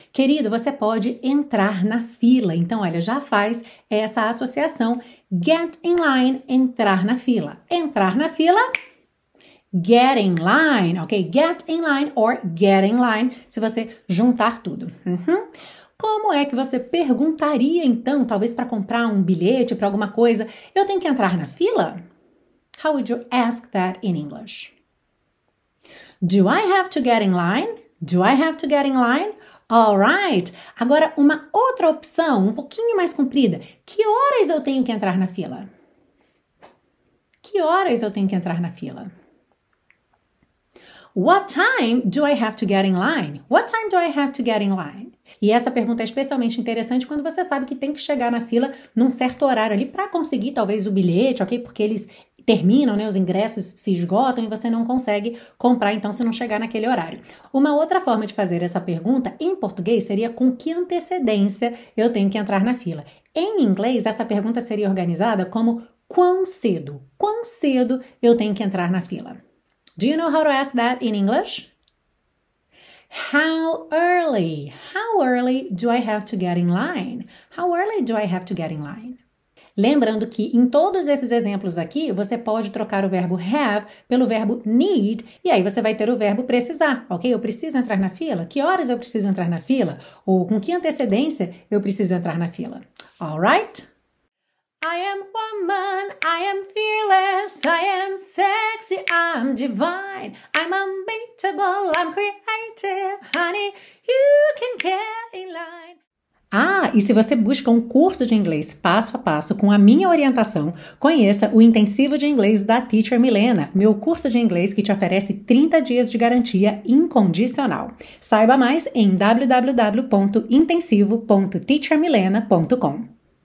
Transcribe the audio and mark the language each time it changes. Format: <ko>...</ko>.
<pt>Querido, você pode entrar na fila. Então, olha, já faz essa associação, get in line, entrar na fila. Entrar na fila...</pt> <en>Get in line, ok? Get in line or get in line, se você juntar tudo. Uhum.</en> <pt>Como é que você perguntaria, então, talvez para comprar um bilhete, para alguma coisa, eu tenho que entrar na fila?</pt> <en>How would you ask that in English? Do I have to get in line? Do I have to get in line? All right.</en> <pt>Agora, uma outra opção, um pouquinho mais comprida. Que horas eu tenho que entrar na fila? Que horas eu tenho que entrar na fila?</pt> <en>What time do I have to get in line? What time do I have to get in line?</en> <pt>E essa pergunta é especialmente interessante quando você sabe que tem que chegar na fila num certo horário ali para conseguir talvez o bilhete, ok? Porque eles terminam, né? Os ingressos se esgotam e você não consegue comprar então se não chegar naquele horário. Uma outra forma de fazer essa pergunta em português seria com que antecedência eu tenho que entrar na fila. Em inglês, essa pergunta seria organizada como quão cedo? Quão cedo eu tenho que entrar na fila?</pt> <en>Do you know how to ask that in English? How early? How early do I have to get in line? How early do I have to get in line?</en> <pt>Lembrando que em todos esses exemplos aqui, você pode trocar o verbo have pelo verbo need, e aí você vai ter o verbo precisar, ok? Eu preciso entrar na fila? Que horas eu preciso entrar na fila? Ou com que antecedência eu preciso entrar na fila?</pt> <en>All right? I am woman, I am fearless, I am sexy, I'm divine, I'm unbeatable, I'm creative, honey, you can get in line.</en> <pt>Ah, e se você busca um curso de inglês passo a passo com a minha orientação, conheça o Intensivo de Inglês da Teacher Milena, meu curso de inglês que te oferece 30 dias de garantia incondicional. Saiba mais em www.intensivo.teachermilena.com.</pt>